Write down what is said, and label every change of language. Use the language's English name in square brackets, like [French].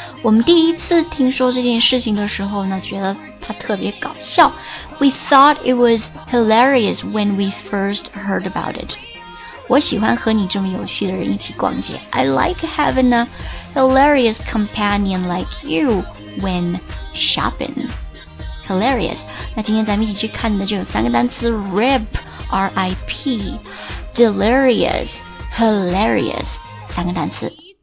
[Chinese] 我们第一次听说这件事情的时候呢，觉得它特别搞笑。 [English] We thought it was hilarious when we first heard about it. [Chinese] 我喜欢和你这么有趣的人一起逛街。 [English] I like having a hilarious companion like you. When shopping, hilarious. [Chinese] 那今天咱们一起去看的就有三个单词 ：rip, R-I-P, delirious, hilarious， 三个单词。